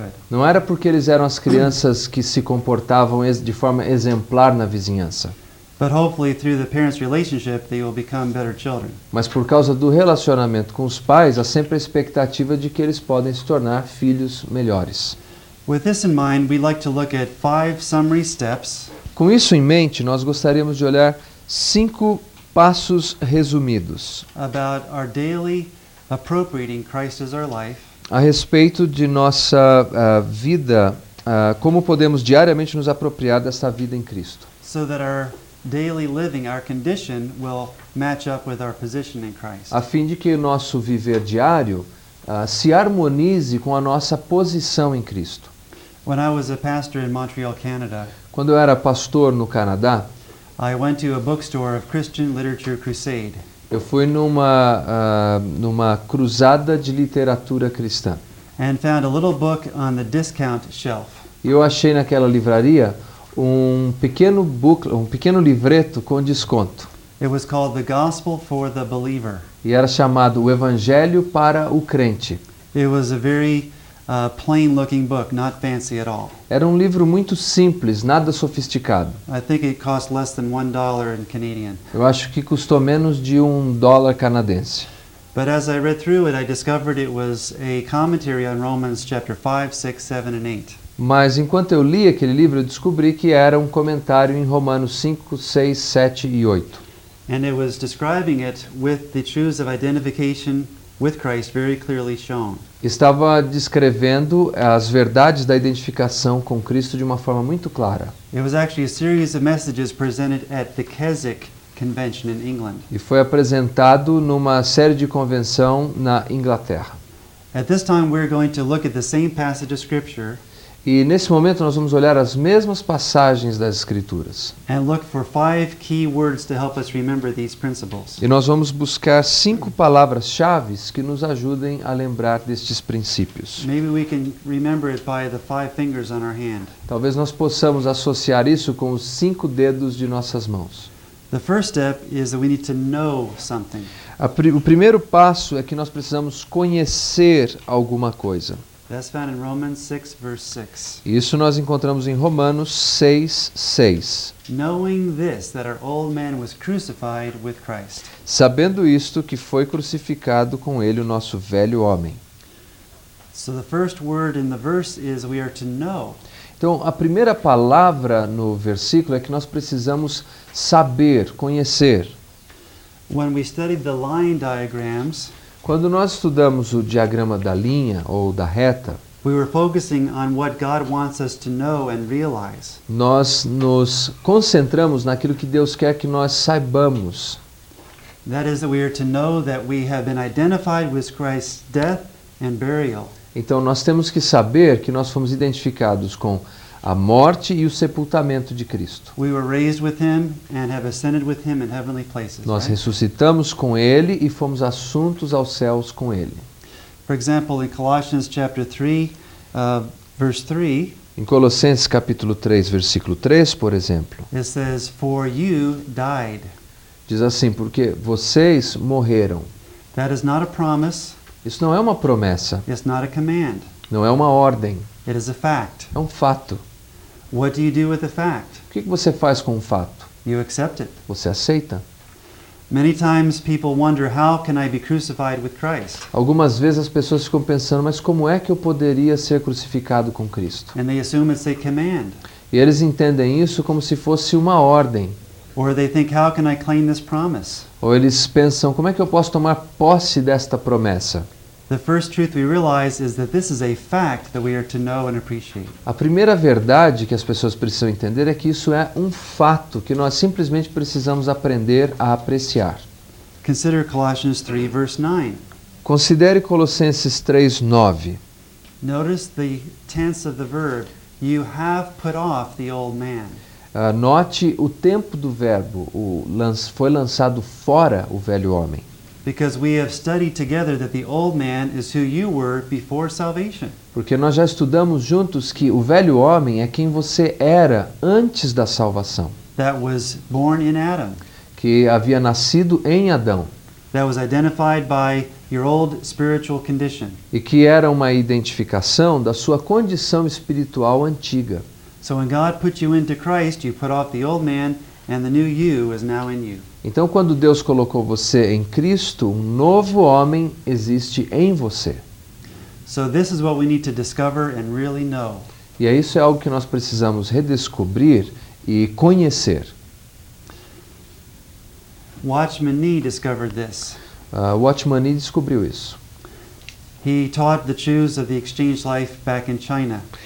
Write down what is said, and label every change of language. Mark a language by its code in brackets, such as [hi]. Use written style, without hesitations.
[pt] Não era porque eles eram as crianças que se comportavam de forma exemplar na vizinhança. [en] But hopefully through the parents' relationship they will become better children. [pt] Mas por causa do relacionamento com os pais, há sempre a expectativa de que eles podem se tornar filhos melhores. [en] With this in mind, we'd like to look at 5 summary steps. [pt] Com isso em mente, nós gostaríamos de olhar 5 passos resumidos [en] about our daily appropriating Christ as our life. [pt] A respeito de nossa vida, como podemos diariamente nos apropriar dessa vida em Cristo. [en] So that our daily living, our condition will match up with our position in Christ. [pt] A fim de que o nosso viver diário se harmonize com a nossa posição em Cristo. [en] When I was a pastor in Montreal, Canada, [pt] quando eu era pastor no Canadá, [en] I went to a bookstore of Christian Literature Crusade. [pt] Eu fui numa cruzada de literatura cristã. [en] And found a little book on the discount shelf. [pt] Eu achei naquela livraria um pequeno livreto com desconto. [en] It was called The Gospel for the Believer. [pt] E era chamado O Evangelho para o Crente. [en] It was a very plain looking book, not fancy at all. [pt] Era um livro muito simples, nada sofisticado. [en] I think it cost less than $1 in Canadian. [pt] Eu acho que custou menos de $1 canadense. [en] But as I read through it, I discovered it was a commentary on Romans chapter 5, 6, 7 and 8. [pt] Mas enquanto eu li aquele livro, eu descobri que era um comentário em Romanos 5, 6, 7 e 8. [en] And it was describing it with the truths of identification with Christ very clearly shown. [pt] Estava descrevendo as verdades da identificação com Cristo de uma forma muito clara. [en] It was actually a series of messages presented at the Keswick Convention in England. [pt] E foi apresentado numa série de convenção na Inglaterra. [en] At this time we're going to look at the same passage of scripture. [pt] E nesse momento nós vamos olhar as mesmas passagens das Escrituras. [en] And look for 5 key words to help us remember these principles. [pt] E nós vamos buscar 5 palavras-chave que nos ajudem a lembrar destes princípios. [en] Maybe we can remember it by the 5 fingers on our hand. [pt] Talvez nós possamos associar isso com os 5 dedos de nossas mãos. [en] The first step is that we need to know something. [pt] O primeiro passo é que nós precisamos conhecer alguma coisa. [en] That's found in Romans 6, verse 6. [pt] Isso nós encontramos em Romanos 6, 6. [en] Knowing this, that our old man was crucified with Christ. [pt] Sabendo isto, que foi crucificado com ele o nosso velho homem. [en] So the first word in the verse is we are to know. [pt] Então, a primeira palavra no versículo é que nós precisamos saber, conhecer. [en] When we studied the line diagrams, [pt] quando nós estudamos o diagrama da linha ou da reta, [en] we were focusing on what God wants us to know and realize. [pt] Nós nos concentramos naquilo que Deus quer que nós saibamos. [en] That is that we are to know that we have been identified with Christ's death and burial. [pt] Então nós temos que saber que nós fomos identificados com a morte e o sepultamento de Cristo. [en] We were raised with him and have ascended with him in heavenly places. [pt] Nós ressuscitamos com ele e fomos assuntos aos céus com ele. [en] For example, in Colossians chapter 3, verse 3. [pt] Em Colossenses capítulo 3, versículo 3, por exemplo. [en] It says, "For you died." [pt] Diz assim, porque vocês morreram. [en] That is not a promise. [pt] Isso não é uma promessa. [en] It's not a command. [pt] Não é uma ordem. [en] It is a fact. [pt] É um fato. [en] What do you do with the fact? [pt] O que você faz com o fato? [en] You accept it. [pt] Você aceita. [en] Many times people wonder how can I be crucified with Christ? [pt] Algumas vezes as pessoas ficam pensando, mas como é que eu poderia ser crucificado com Cristo? [en] And they assume it's a command. [pt] E eles entendem isso como se fosse uma ordem. [en] Or they think how can I claim this promise? [pt] Ou eles pensam, como é que eu posso tomar posse desta promessa? [en] The first truth we realize is that this is a fact that we are to know and appreciate. [pt] A primeira verdade que as pessoas precisam entender é que isso é um fato que nós simplesmente precisamos aprender a apreciar. [en] Consider Colossians 3 verse 9. [pt] Considere Colossenses 3, 9. [en] Notice the tense of the verb, you have put off the old man. [pt] Note o tempo do verbo, foi lançado fora o velho homem. [en] Because we have studied together that the old man is who you were before salvation. [pt] Porque nós já estudamos juntos que o velho homem é quem você era antes da salvação. [en] That was born in Adam. [pt] Que havia nascido em Adão. [en] That was identified by your old spiritual condition. [pt] E que era uma identificação da sua condição espiritual antiga. [en] So when God put you into Christ, you put off the old man And the new you is now in you. [pt] Então, quando Deus colocou você em Cristo, um novo homem existe em você. [en] So this is what we need to discover and really know. [pt] E isso é algo que nós precisamos redescobrir e conhecer. [en] Watchman Nee discovered this. [pt] Watchman Nee descobriu isso. [en] He taught the truths of the exchange life back in China.